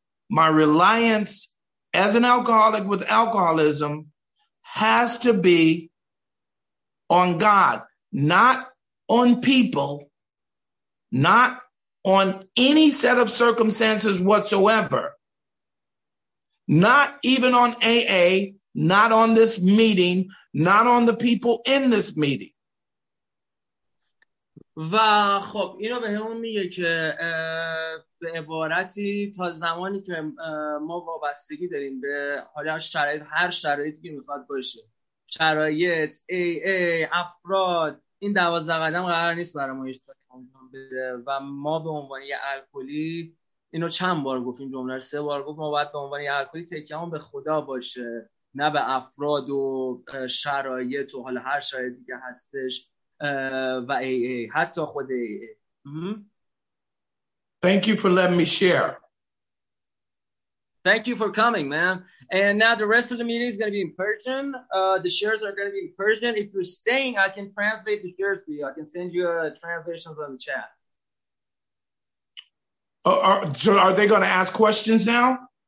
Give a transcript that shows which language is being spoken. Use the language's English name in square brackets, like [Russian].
[English] My reliance as an alcoholic with alcoholism has to be on God, not on people, not on any set of circumstances whatsoever, not even on AA, not on this meeting, not on the people in this meeting. [Persian] و خب اینو به همون میگه که به عبارتی تا زمانی که ما وابستگی داریم به حالا شرایط هر شرایطی که میخواد باشه شرایط AA افراد این 12 قدم قرار نیست برای ما اشتباه و ما به عنوان یه الکلی اینو چند بار گفتیم جمله رو سه بار گفتم ما باید به عنوان یه الکلی تکیه‌مون به خدا باشه نه به افراد و شرایط و حالا هر شرایطی دیگه هستش و ای ای حتی خود ای ای. [English] Thank you for letting me share. Thank you for coming, man. And now the rest of the meeting is going to be in Persian. The shares are going to be in Persian. If you're staying, I can translate the shares for you. I can send you translations on the chat. Are they going to ask questions now?